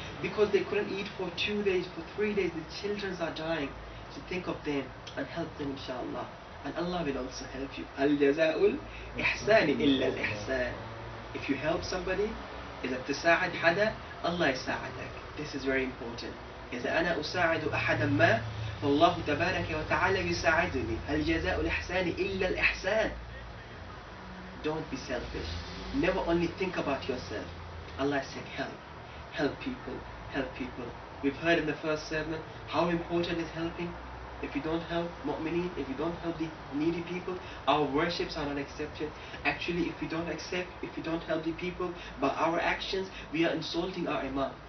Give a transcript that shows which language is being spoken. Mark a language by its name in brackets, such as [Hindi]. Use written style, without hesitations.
[English] Because they couldn't eat for 2 days, for 3 days, the children are dying. So think of them and help them, inshallah. And Allah will also help you. [Arabic] Al-jaza'ul ihsani illa al-ihsan. [English] If you help somebody, [Arabic] إذا تساعد حدا, Allah يساعدك. [English] This is very important. [Arabic] إذا أنا أساعد أحدا ما, فالله تبارك وتعالى يساعدني. الجزاءُ الإحسان إلا الإحسان. [English] Don't be selfish. Never only think about yourself. Allah said help. Help people. Help people. We've heard in the first sermon how important is helping. If you don't help mu'mineen, if you don't help the needy people, our worships are not accepted. Actually, if we don't accept, if we don't help the people by our actions, we are insulting our imam.